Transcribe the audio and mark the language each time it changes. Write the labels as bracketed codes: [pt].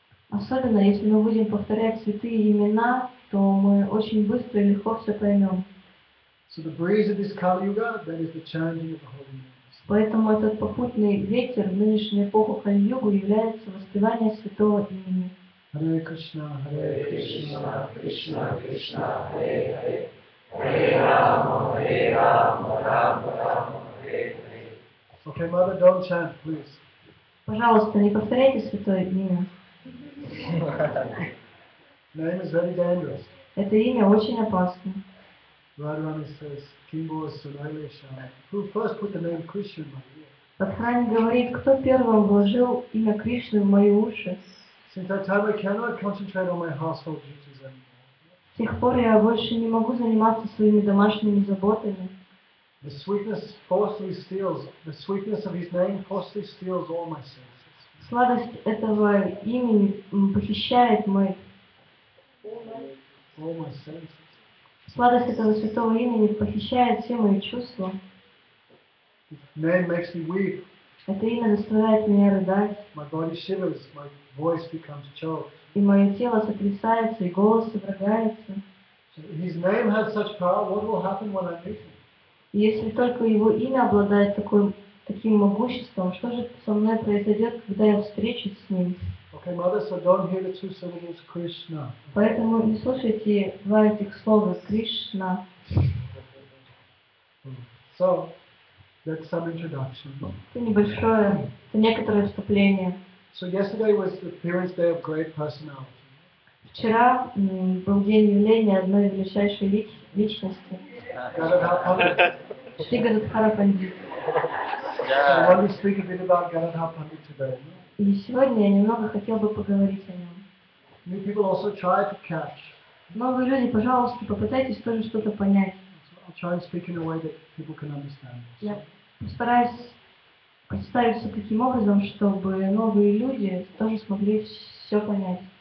[ru] Особенно, если мы будем повторять святые имена, то мы очень быстро и легко все поймем. [en] So the breeze of this Kali Yuga, that is the chanting of the holy names. [ru] Поэтому этот попутный ветер в нынешнюю эпоху Кали Югу является воспевание святого имени. [sa] Hare Krishna, Hare Krishna, Krishna Krishna, Hare Hare, Hare Rama, Hare Rama, Rama Rama, Hare Hare. [en] Okay, mother, don't chant, please. [ru] Пожалуйста, не повторяйте святое имя. [en] Name is very dangerous. [ru] Это имя очень опасно. [en] Radharani says, [sa] Kimbo Sunailesha. [en] Who first put the name Krishna in my ear? [ru] Радхарани говорит, кто первым вложил имя Кришны в мои уши? [en] Since that time I cannot concentrate on my household duties anymore. [ru] С тех пор я больше не могу заниматься своими домашними заботами. [en] The sweetness of his name forcibly steals all my senses. [ru] Сладость этого имени похищает мои. [en] All my senses. [ru] Сладость этого святого имени похищает все мои чувства. [en] Name makes me weep. [ru] Это имя заставляет меня рыдать. [en] My body shivers, my voice becomes choked. [ru] И мое тело сотрясается, и голос содрогается. [en] So his name has such power, what will happen when I meet him? [ru] И если только его имя обладает таким могуществом, что же со мной произойдет, когда я встречусь с ним? [en] Okay, mother, so don't hear the two syllables Krishna. [ru] Поэтому не слушайте два этих слова Кришна. [en] So, that's some introduction. [ru] Это некоторое вступление. [en] So yesterday was the appearance day of great personality. [ru] Вчера был день явления одной величайшей личности. Ганадхара Пандит. Ганадхара Пандит. [en] I want to speak a bit about Ганадхара Пандит today. [ru] И сегодня я немного хотел бы поговорить о нем. [en] New people also try to catch. [ru] Новые люди, пожалуйста, попытайтесь тоже что-то понять. [en] So I'll try to speak in a way that people can understand. [ru] Я постараюсь представить все таким образом, чтобы новые люди тоже смогли все понять.